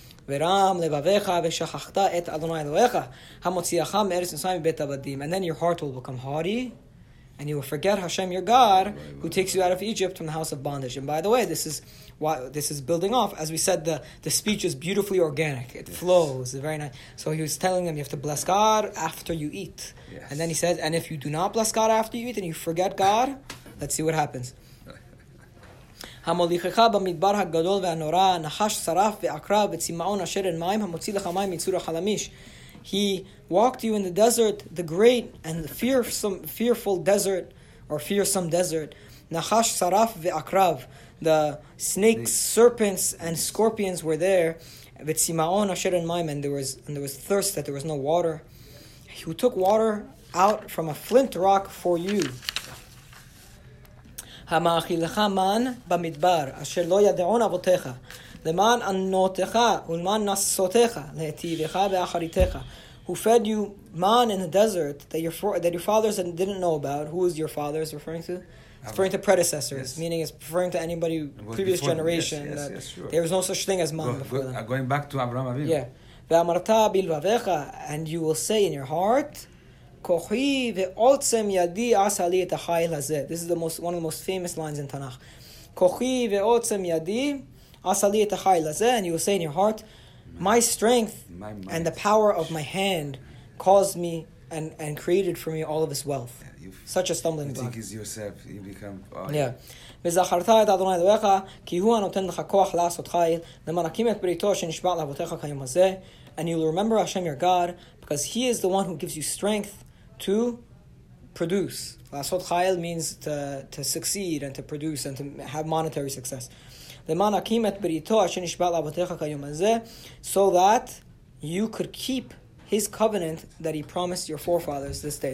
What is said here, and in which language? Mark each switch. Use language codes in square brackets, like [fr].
[en] And then your heart will become haughty, and you will forget Hashem your God, who takes you out of Egypt from the house of bondage. And by the way, this is why this is building off. As we said, the speech is beautifully organic. It yes. flows. Very nice. So he was telling them, you have to bless God after you eat. Yes. And then he said, and if you do not bless God after you eat, and you forget God, let's see what happens. [he] המוליכך במדבר הגדול והנורא, נחש שרף ועקרב וצמאון אשר אין מים, המוציא לך מים מצור החלמיש. [en] He walked you in the desert, the great and the fearful desert, or fearsome desert. [he] נחש שרף ועקרב. [en] The snakes, serpents, and scorpions were there. [he] וצמאון אשר אין מים, [en] and there was thirst, that there was no water. He took water out from a flint rock for you. [he] המאכילך מן במדבר, אשר לא ידעון אבותיך, למען ענותיך ולמען נסותיך, להטיבך ואחריתך. [en] Who fed you man in the desert that your fathers didn't know about. Who is your fathers referring to? Referring to predecessors, yes. Meaning it's referring to anybody, previous before, generation. Yes, that sure. There was no such thing as man before them. Going back to Abraham Avinu. Yeah. [he] ואמרת בלבבך, [en] and you will say in your heart, this is the most one of the most famous lines in Tanakh. And you will say in your heart, my strength and the power of my hand caused me and created for me all of this wealth. Such a stumbling block. You think it's yourself, you become... Oh, yeah. [he] וזכרת את אדוני אלוהיך, כי הוא הנותן לך כוח לעשות חיל, למנקים את בריתו שנשבע לאבותיך כיום הזה. [en] And you will remember Hashem your God, because he is the one who gives you strength to produce. Lasot chayel means to succeed and to produce and to have monetary success. [he] Leman akim et berito asher nishba la'avotecha kayom hazeh, [en] so that you could keep his covenant that he promised your forefathers this day.